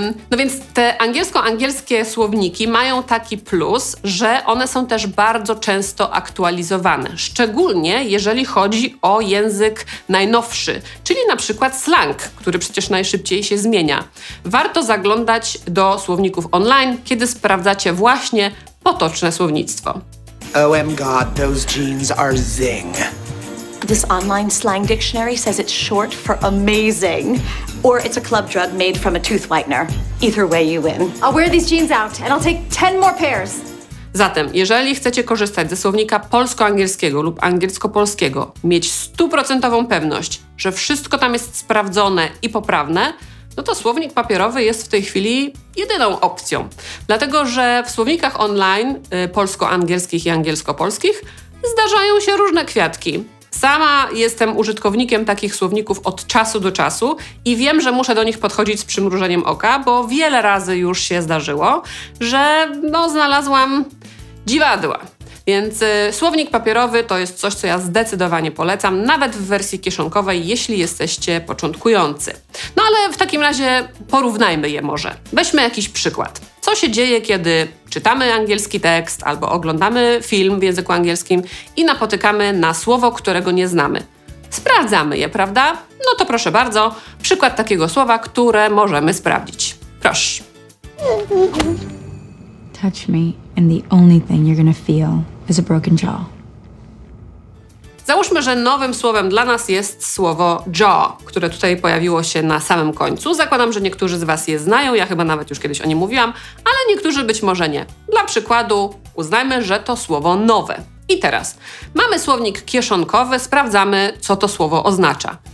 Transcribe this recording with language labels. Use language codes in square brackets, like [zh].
[pl] No więc te angielsko-angielskie słowniki mają taki plus, że one są też bardzo często aktualizowane. Szczególnie jeżeli chodzi o język najnowszy, czyli na przykład slang, który przecież najszybciej się zmienia. Warto zaglądać do słowników online, kiedy sprawdzacie właśnie potoczne słownictwo. [en] OMG, those jeans are zing. This online slang dictionary says it's short for amazing, or it's a club drug made from a tooth whitener. Either way, you win. I'll wear these jeans out and I'll take 10 more pairs. [pl] Zatem, jeżeli chcecie korzystać ze słownika polsko-angielskiego lub angielsko-polskiego, mieć 100% pewność, że wszystko tam jest sprawdzone i poprawne, no to słownik papierowy jest w tej chwili jedyną opcją. Dlatego, że w słownikach online polsko-angielskich i angielsko-polskich zdarzają się różne kwiatki. Sama jestem użytkownikiem takich słowników od czasu do czasu i wiem, że muszę do nich podchodzić z przymrużeniem oka, bo wiele razy już się zdarzyło, że no, znalazłam dziwadła. Więc słownik papierowy to jest coś, co ja zdecydowanie polecam, nawet w wersji kieszonkowej, jeśli jesteście początkujący. No ale w takim razie porównajmy je może. Weźmy jakiś przykład. Co się dzieje, kiedy czytamy angielski tekst albo oglądamy film w języku angielskim i napotykamy na słowo, którego nie znamy? Sprawdzamy je, prawda? No to proszę bardzo, przykład takiego słowa, które możemy sprawdzić. Proszę. [en] Touch me and the only thing you're gonna feel is a broken jaw. [pl] Załóżmy, że nowym słowem dla nas jest słowo jaw, które tutaj pojawiło się na samym końcu. Zakładam, że niektórzy z Was je znają, ja chyba nawet już kiedyś o nim mówiłam, ale niektórzy być może nie. Dla przykładu uznajmy, że to słowo nowe. I teraz mamy słownik kieszonkowy, sprawdzamy, co to słowo oznacza.